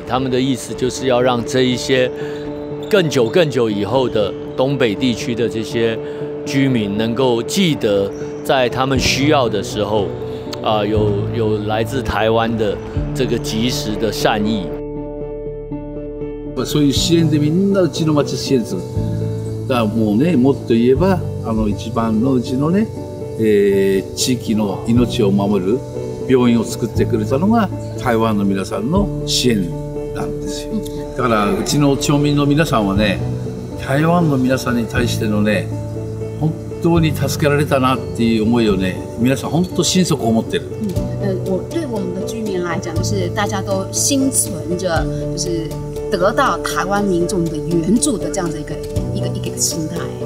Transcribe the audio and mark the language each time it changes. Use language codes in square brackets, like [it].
[zh] 他们的意思就是要让这一些更久更久以后的东北地区的这些居民能够记得，在他们需要的时候，有来自台湾的这个及时的善意。 [ja] そういう支援でみんなうちの町支援する。だからもうね、もっと言えば一番のうちのね、地域の命を守る病院を作ってくれたのが台湾の皆さんの支援なんですよ。だからうちの町民の皆さんはね、台湾の皆さんに対してのね、本当に助けられたなっていう思いをね、皆さん本当心底思ってる。 [zh] 对我们的居民来讲，就是大家都心存着，就是得到台湾民众的援助的这样的一个心态。